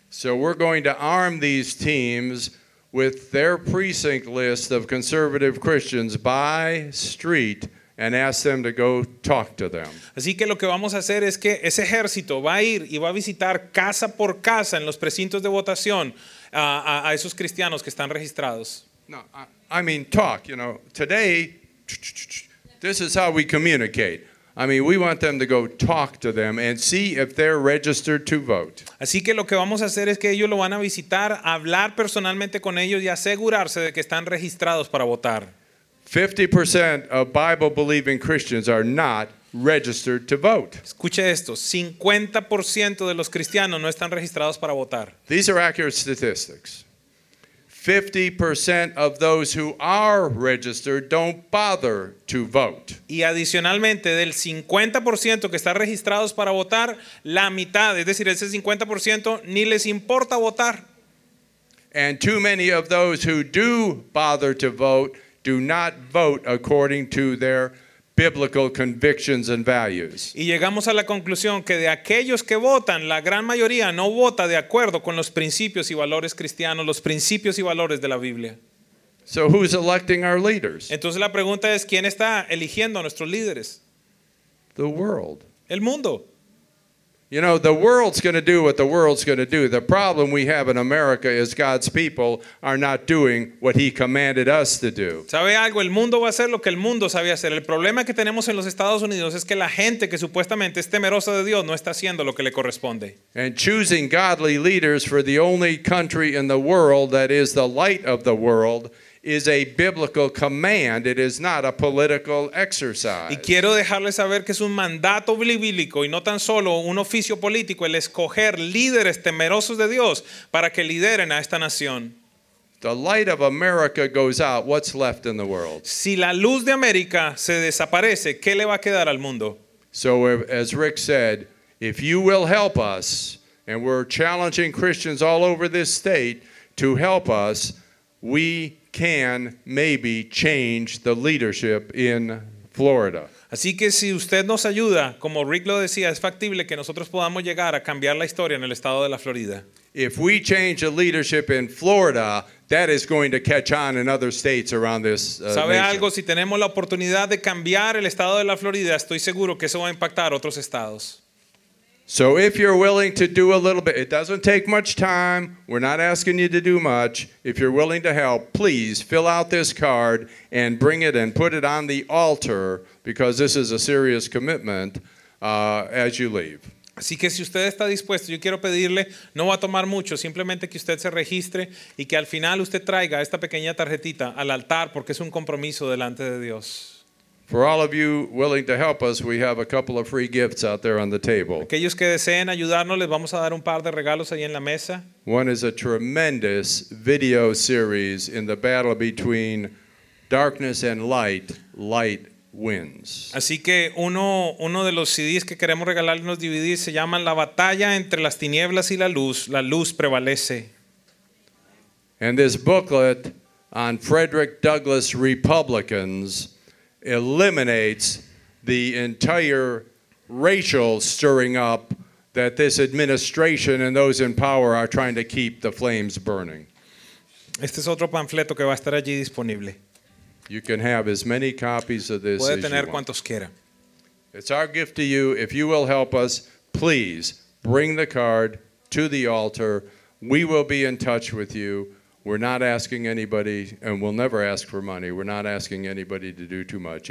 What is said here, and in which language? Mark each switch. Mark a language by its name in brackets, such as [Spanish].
[English] So we're going to arm these teams with their precinct list of conservative Christians by street and ask them to go talk to them. [Spanish] Así que lo que vamos a hacer es que ese ejército va a ir y va a visitar casa por casa en los precintos de votación a esos cristianos que están registrados. [English] No, I mean talk, you know. Today, this is how we communicate. I mean, we want them to go talk to them and see if they're registered to vote. [Spanish] Así que lo que vamos a hacer es que ellos lo van a visitar, hablar personalmente con ellos y asegurarse de que están registrados para votar. [English] 50% of Bible-believing Christians are not registered to vote. [Spanish] Escuche esto, 50% de los cristianos no están registrados para votar. [English] These are accurate statistics. 50% of those who are registered don't bother to vote. [Spanish] Y adicionalmente, del 50% que están registrados para votar, la mitad, es decir, ese 50% ni les importa votar. [English] And too many of those who do bother to vote do not vote according to their biblical convictions and values. [Spanish] Y llegamos a la conclusión que de aquellos que votan, la gran mayoría no vota de acuerdo con los principios y valores cristianos, los principios y valores de la Biblia. [English] So who's electing our leaders? [Spanish] Entonces la pregunta es, ¿quién está eligiendo a nuestros líderes? [English] The world. [Spanish] El mundo. [English] You know, the world's going to do what the world's going to do. The problem we have in America is God's people are not doing what he commanded us to do. [Spanish] ¿Sabe algo? El mundo va a hacer lo que el mundo sabe hacer. El problema que tenemos en los Estados Unidos es que la gente que supuestamente es temerosa de Dios no está haciendo lo que le corresponde. [English] And choosing godly leaders for the only country in the world that is the light of the world is a biblical command. It is not a political exercise. [Spanish] Y quiero dejarles saber que es un mandato bíblico y no tan solo un oficio político el escoger líderes temerosos de Dios para que lideren a esta nación. [English] The light of America goes out. What's left in the world? [Spanish] Si la luz de América se desaparece, ¿qué le va a quedar al mundo? [English] So as Rick said, if you will help us, and we're challenging Christians all over this state to help us, we can maybe change the leadership in Florida. [Spanish] Así que si usted nos ayuda, como Rick lo decía, es factible que nosotros podamos llegar a cambiar la historia en el estado de la Florida. [English] If we change the leadership in Florida, that is going to catch on in other states around this nation. [Spanish] ¿Sabe algo? Si tenemos la oportunidad de cambiar el estado de la Florida, estoy seguro que eso va a impactar otros estados. [English] So if you're willing to do a little bit, it doesn't take much time. We're not asking you to do much. If you're willing to help, please fill out this card and bring it and put it on the altar, because this is a serious commitment as you leave. [Spanish] Así que si usted está dispuesto, yo quiero pedirle, no va a tomar mucho, simplemente que usted se registre y que al final usted traiga esta pequeña tarjetita al altar, porque es un compromiso delante de Dios. [English] For all of you willing to help us, we have a couple of free gifts out there on the table. [Spanish] Aquellos que deseen ayudarnos, les vamos a dar un par de regalos ahí en la mesa. [English] One is a tremendous video series in the battle between darkness and light, light wins. [Spanish] Así que uno de los CDs que queremos regalarle, unos DVDs, se llaman La batalla entre las tinieblas y la luz prevalece. [English] And this booklet on Frederick Douglass Republicans eliminates the entire racial stirring up that this administration and those in power are trying to keep the flames burning. [Spanish] Este es otro panfleto que va a estar allí disponible. [English] You can have as many copies of this [Spanish] puede tener [English] as you [Spanish] cuantos [English] want. [Spanish] Quiera. [English] It's our gift to you. If you will help us, please bring the card to the altar. We will be in touch with you. We're not asking anybody, and we'll never ask for money. We're not asking anybody to do too much.